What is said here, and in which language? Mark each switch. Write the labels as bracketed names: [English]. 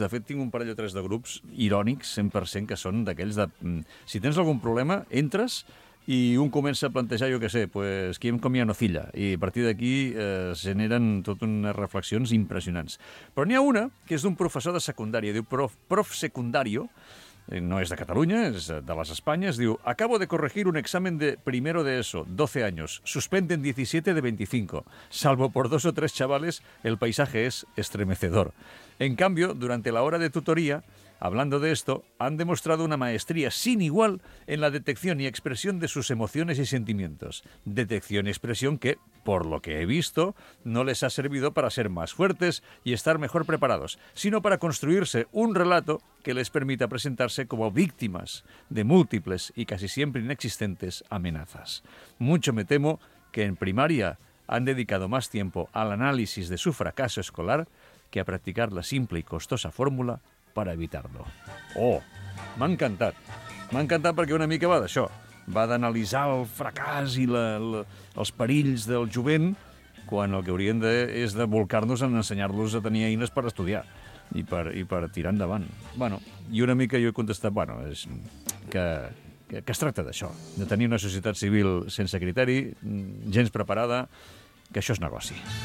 [Catalan] De fet, tinc un parell o tres de grups irònics, 100%, que són d'aquells de... Si tens algun problema, entres... I un comença a plantejar, jo què sé, pues, qui em comia no filla. I a partir d'aquí es generen tot unes reflexions impressionants. Però n'hi ha una que és d'un professor de secundària, diu prof secundario, [Spanish] No es de Cataluña, es de las Españas. Digo, acabo de corregir un examen de primero de ESO, 12 años. Suspenden 17 de 25. Salvo por dos o tres chavales, el paisaje es estremecedor. En cambio, durante la hora de tutoría, hablando de esto, han demostrado una maestría sin igual en la detección y expresión de sus emociones y sentimientos. Detección y expresión que, por lo que he visto, no les ha servido para ser más fuertes y estar mejor preparados, sino para construirse un relato que les permita presentarse como víctimas de múltiples y casi siempre inexistentes amenazas. Mucho me temo que en primaria han dedicado más tiempo al análisis de su fracaso escolar que a practicar la simple y costosa fórmula para evitar-lo. [Catalan] Oh, m'ha encantat. M'ha encantat perquè una mica va d'això. Va d'analitzar el fracàs i els perills del jovent quan el que hauríem és de volcar-nos en ensenyar-los a tenir eines per estudiar i per tirar endavant. Bueno, i una mica jo he contestat, bueno, és que es tracta d'això, de tenir una societat civil sense criteri, gens preparada, que això és negoci.